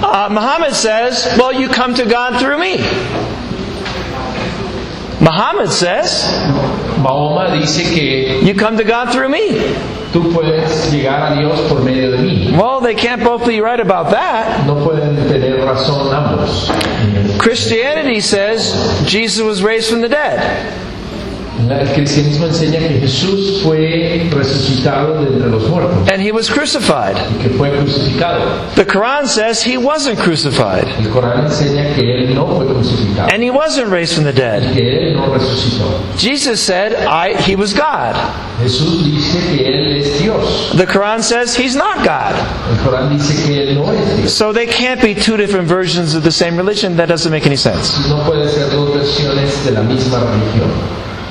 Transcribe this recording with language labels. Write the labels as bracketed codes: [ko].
[en] Muhammad says, well, you come to God through me. Muhammad says, [es] Mahoma dice que [en] you come to God through me. [es] Tú puedes llegar a Dios por medio de mí. [en] Well, they can't both be right about that. [es] No pueden tener razón ambos. [en] Christianity says Jesus was raised from the dead. [es] El cristianismo enseña que Jesús fue resucitado de entre los muertos. [en] And he was crucified. [es] Y que fue crucificado. [en] The Quran says he wasn't crucified. [es] El Corán enseña que él no fue crucificado. [en] And he wasn't raised from the dead. [es] Y que él no resucitó. [en] Jesus said, he was God. [es] Jesús dice que él es Dios. [en] The Quran says he's not God. [es] El Corán dice que él no es Dios. [en] So they can't be two different versions of the same religion. That doesn't make any sense. [es] No pueden ser dos versiones de la misma religión.